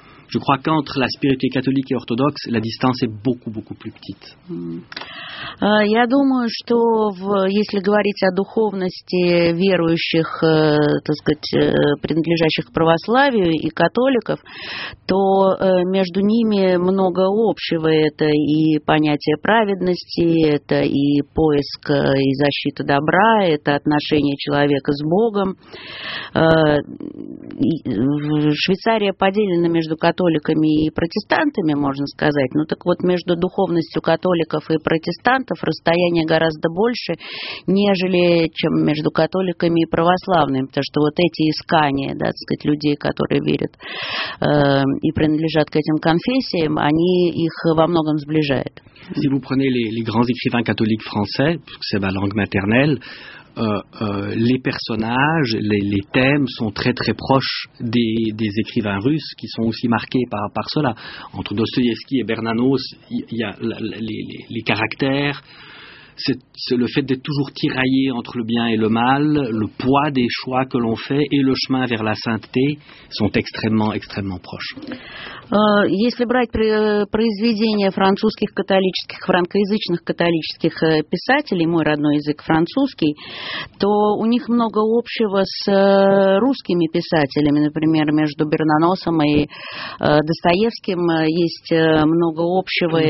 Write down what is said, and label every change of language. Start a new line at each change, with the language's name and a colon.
French: Je crois qu'entre la spiritualité catholique et orthodoxe, la distance est beaucoup, beaucoup plus petite.
Russian: Я думаю, что если говорить о духовности верующих, так сказать, принадлежащих к православию и католиков, то между ними много общего. Это и понятие праведности, это и поиск и защита добра, это отношение человека с Богом. Швейцария поделена между католиками и протестантами, можно сказать. Ну так вот, между духовностью католиков и протестантов расстояние гораздо больше, нежели чем между католиками и православными, потому что вот эти искания, да, так сказать, людей, которые верят и принадлежат к этим конфессиям, они их во многом сближают.
French: Si vous prenez les grands écrivains catholiques français, c'est ma langue maternelle, les personnages, les thèmes sont très très proches des écrivains russes qui sont aussi marqués par cela. Entre Dostoïevski et Bernanos, il y a les caractères, c'est le fait d'être toujours tiraillé entre le bien et le mal, le poids des choix que l'on fait et le chemin vers la sainteté sont extrêmement extrêmement proches.
Russian: Если брать произведения французских католических, франкоязычных католических писателей, мой родной язык французский, то у них много общего с русскими писателями. Например, между Бернаносом и Достоевским есть много общего.